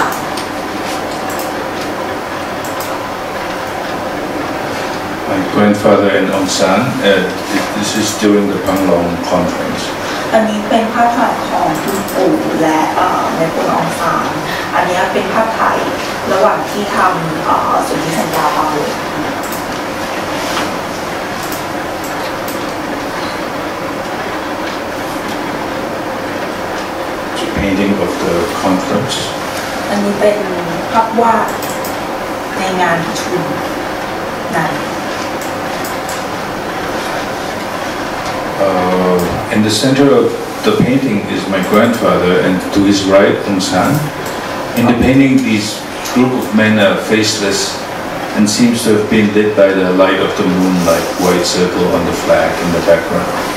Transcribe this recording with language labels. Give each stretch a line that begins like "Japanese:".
English: าล My grandfather and Aung San this is during the Panglong conference
Thai: อันนี้เป็นภาพถ่ายของคุณปู่และในปู่อองซานอันนี้เป็นภาพถ่ายระหว่างที่ทำสนธิสัญญาปาบุญ
English: Painting of the conference.
Thai: อันนี้เป็นภาพวาดในงานประชุมนั้น
English: In the center of the painting is my grandfather, and to his right, Aung San. In the painting, these group of men are faceless, and seems to have been lit by the light of the moon, like white circle on the flag in the background.